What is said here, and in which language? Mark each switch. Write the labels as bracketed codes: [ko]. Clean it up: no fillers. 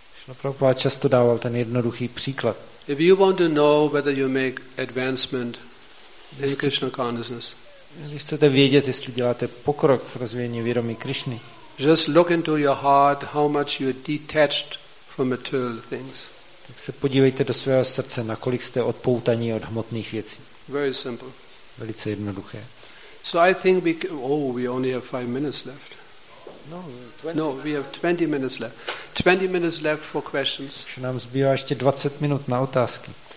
[cs] Srila Prabhupada často dával ten jednoduchý příklad. [en] If you want to know whether you make advancement in Krishna consciousness, [cs] když chcete vědět, jestli děláte pokrok v rozvíjení vědomí Krishny, [en] just look into your heart how much you are detached from material things. [cs] Tak se podívejte do svého srdce, nakolik jste odpoutaní od hmotných věcí. [en] Very simple. [cs] Velice jednoduché. [en] So I think we can, oh, we only have 5 minutes left. No, we have 20 minutes left. 20 minutes left for questions. [cs] Už nám zbývá ještě 20 minut na otázky.